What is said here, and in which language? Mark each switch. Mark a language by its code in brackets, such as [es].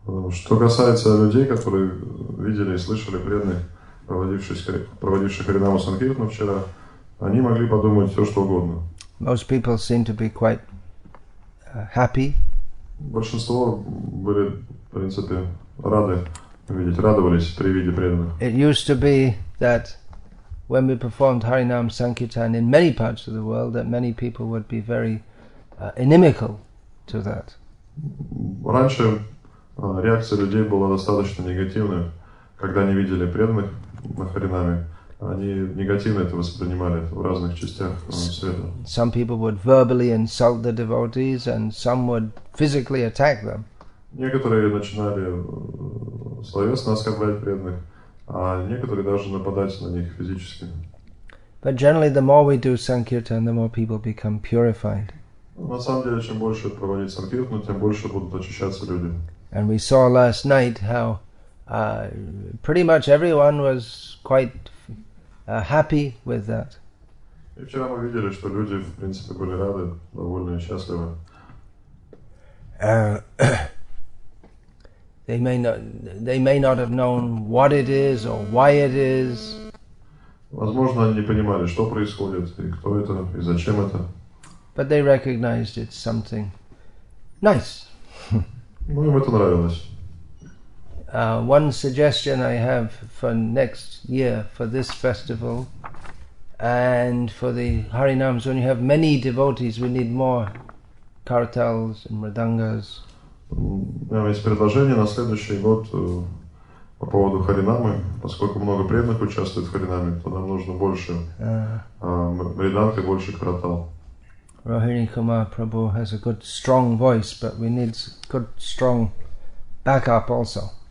[ru] Что касается людей, которые видели и слышали преданных, проводивших Харинам Санкиртан вчера, они могли подумать все, что угодно. [en] Most people seem to be quite happy. [ru] Большинство были, в принципе, рады видеть, радовались при виде преданных. [en] It used to be that when we performed Harinam Sankirtan in many parts of the world, that many people would be very inimical to that. [ru] Раньше реакция людей была достаточно негативной. Когда они видели преданных на Харинаме, они негативно это воспринимали в разных частях света. [en] Some people would verbally insult the devotees and some would physically attack them. [ru] Некоторые начинали словесно оскорблять преданных, а некоторые даже нападать на них физически. [en] But generally, the more we do sankirtan, the more people become purified. [ru] На самом деле, чем больше проводить санкиртану, тем больше будут очищаться люди. [en] And we saw last night how pretty much everyone was quite happy with that. [ru] И вчера мы видели, что люди, в принципе, были рады, довольны и счастливы. [en] They may not have known what it is or why it is. [ru] Возможно, они не понимали, что происходит, и кто это, и зачем это. [en] But they recognized it's something nice. [ru] Ну, им это нравилось. [en] One suggestion I have for next year, for this festival, and for the Harinams, when you have many devotees, we need more kartals and mridangas. [ru] Есть предложение на следующий год по поводу Харинамы. Поскольку много преданных участвует в Харинаме, то нам нужно больше мриданг и больше каратал. [en] Rohini Kumar Prabhu has a good strong voice, but we need good strong backup also.